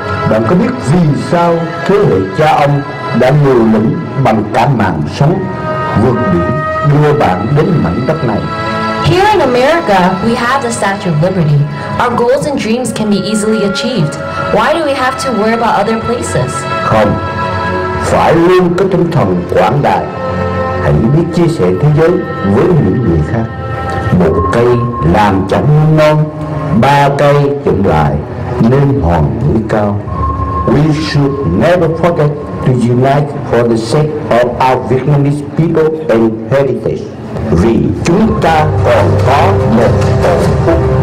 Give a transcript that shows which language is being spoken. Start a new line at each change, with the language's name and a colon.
Vietnamese: bạn có biết vì sao thế hệ cha ông đã liều lĩnh bằng cả mạng sống vượt biển đưa bạn đến mảnh đất này?
English: Here in America, we have the Statue of Liberty. Our goals and dreams can be easily achieved. Why do we have to worry about other places?
Vietnamese: Không, phải luôn có tinh thần quảng đại. Hãy biết chia sẻ thế giới với những người khác. Một cây làm chẳng muôn non, ba cây dựng lại nên hòn núi cao.
English: We should never forget to unite for the sake of our Vietnamese people and heritage.
Vietnamese: Vì chúng ta còn có một tổ quốc.